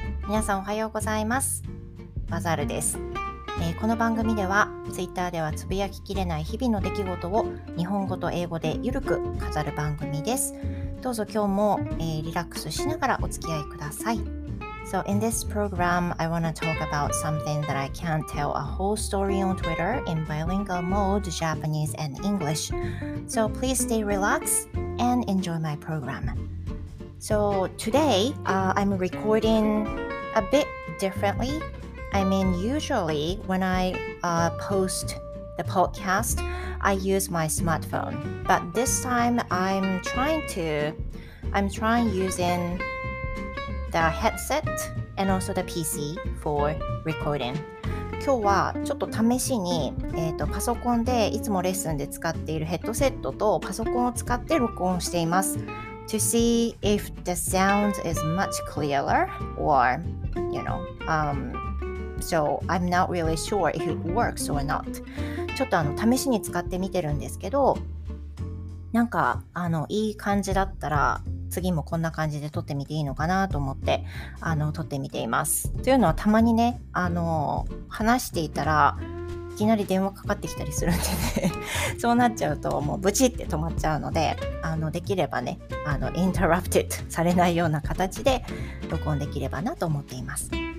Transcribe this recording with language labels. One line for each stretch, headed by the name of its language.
Japanese: 皆さんおはようございます。バザールです。この番組では、Twitter ではつぶやききれない日々の出来事を日本語と英語でゆるく飾る番組です。どうぞ今日も、リラックスしながらお付き合いください。
English: So in this program, I want to talk about something that I can't tell a whole story on Twitter in bilingual mode, Japanese and English. So please stay relaxed and enjoy my program. So today, I'm recording a bit differently. I mean, usually when I post the podcast, I use my smartphone. But this time, I'm trying using... the headset and also the PC for recording.
Japanese: 今日はちょっと試しに、パソコンでいつもレッスンで使っているヘッドセットとパソコンを使って録音しています。
English: To see if the sound is much clearer or, you know, so I'm not really sure if it works or not.
Japanese: ちょっと試しに使ってみてるんですけど、なんかいい感じだったら次もこんな感じで撮ってみていいのかなと思って撮ってみています。というのはたまにね話していたらいきなり電話かかってきたりするんでねそうなっちゃうともうブチって止まっちゃうのでできればねインタラプティッドされないような形で録音できればなと思っています。